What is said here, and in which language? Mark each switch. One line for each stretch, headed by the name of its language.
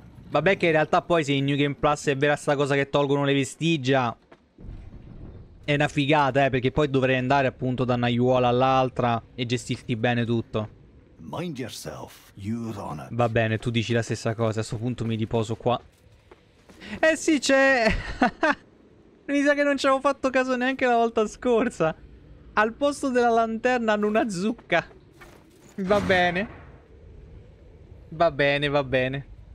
Italian: Vabbè che in realtà poi se in New Game Plus è vera sta cosa che tolgono le vestigia... è una figata, perché poi dovrei andare appunto da una aiuola all'altra e gestirti bene tutto.
English: Mind yourself, you're on it.
Italian: Va bene, tu dici la stessa cosa, a questo punto mi riposo qua. Eh sì, c'è... mi sa che non ci avevo fatto caso neanche la volta scorsa. Al posto della lanterna hanno una zucca. Va bene. Va bene, va bene.